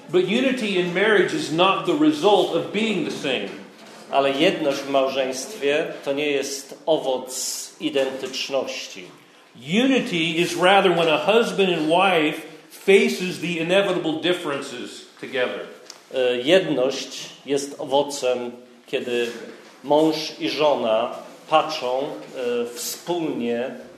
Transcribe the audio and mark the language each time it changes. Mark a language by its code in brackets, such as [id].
[en] But unity in marriage is not the result of being the same. [pl] Ale jedność w małżeństwie to nie jest owoc identyczności. [en] Unity is rather when a husband and wife faces the inevitable differences together. [pl] Jedność jest owocem, kiedy mąż i żona patrzą wspólnie